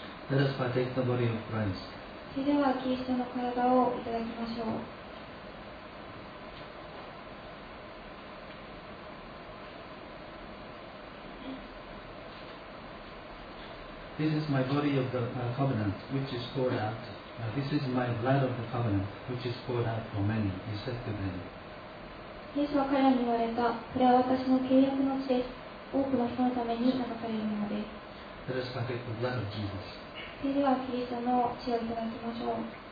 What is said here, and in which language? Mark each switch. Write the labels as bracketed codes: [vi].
[en] Let us partake the body of Christ. [ja] それではキリストの体をいただきましょう。 [en] This is my body of the covenant, which is poured out. This is my blood of the covenant, which is poured out for many. He said to them. [ja] イエスは彼らに言われた。これは私の契約の血です。多くの人のために流されるものです。 [en] Let us take the blood of Jesus. [ja] それではキリストの血をいただきましょう。